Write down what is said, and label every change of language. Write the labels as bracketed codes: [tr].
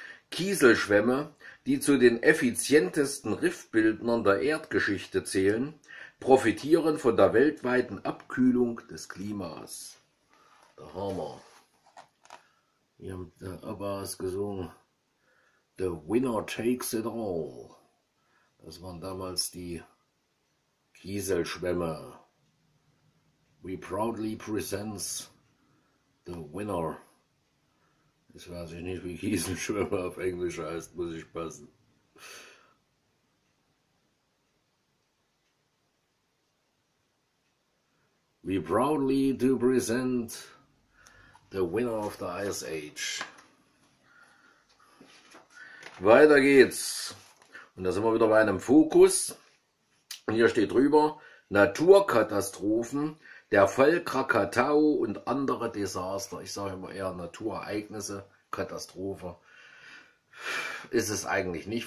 [de] Kieselschwämme, die zu den effizientesten Riffbildnern der Erdgeschichte zählen, profitieren von der weltweiten Abkühlung des Klimas. Da haben wir. Hier haben der ABBA es gesungen. [en] The winner takes it all. [de] Das waren damals die Kieselschwämme. [en] We proudly presents the winner. [de] Jetzt weiß ich nicht, wie Kieselschwämme auf Englisch heißt, muss ich passen. [en] We proudly do present the winner of the Ice Age. [de] Weiter geht's. Und da sind wir wieder bei einem Fokus. Und hier steht drüber: Naturkatastrophen, der Fall Krakatau und andere Desaster. Ich sage immer eher Naturereignisse, Katastrophe. Ist es eigentlich nicht.